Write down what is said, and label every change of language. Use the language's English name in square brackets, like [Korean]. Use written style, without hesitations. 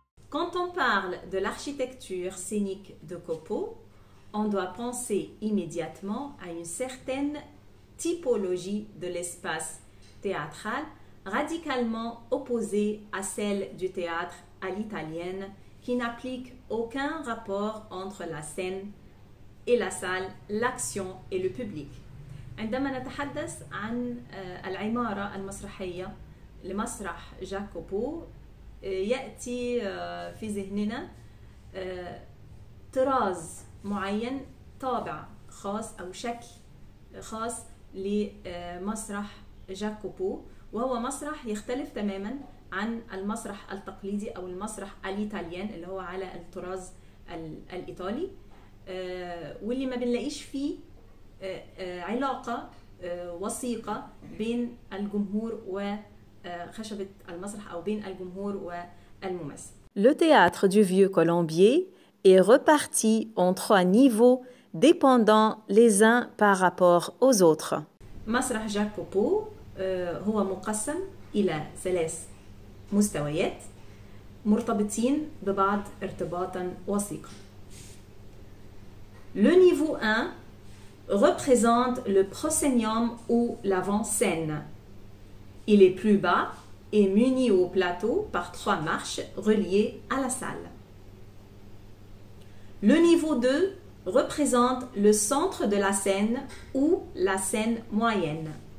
[French] Quand on parle de l'architecture scénique de Copeau, on doit penser immédiatement à une certaine typologie de l'espace théâtral radicalement opposée à celle du théâtre à l'italienne qui n'applique aucun rapport entre la scène et la salle, l'action et le public. [Arabic] عندما نتحدث عن العمارة المسرحية لمسرح جاك كوبو يأتي في ذهننا طراز معين طابع خاص أو شكل خاص لمسرح جاكوبو، وهو مسرح يختلف تماما عن المسرح التقليدي أو المسرح الإيطاليان اللي هو على الطراز الإيطالي، واللي ما بنلاقيش فيه علاقة وثيقة بين الجمهور وخشبة المسرح أو بين الجمهور والممثل. [French] Le théâtre du Vieux Colombier est reparti en trois niveaux dépendant les uns par rapport aux autres. [Arabic] مسرح جاكوبو هو مقسم إلى ثلاث مستويات مرتبطين ببعض ارتباطا وثيقا. [French] Le niveau 1 représente le proscenium ou l'avant-scène. Il est plus bas et muni au plateau par trois marches reliées à la salle. Le niveau 2 représente le centre de la scène ou la scène moyenne.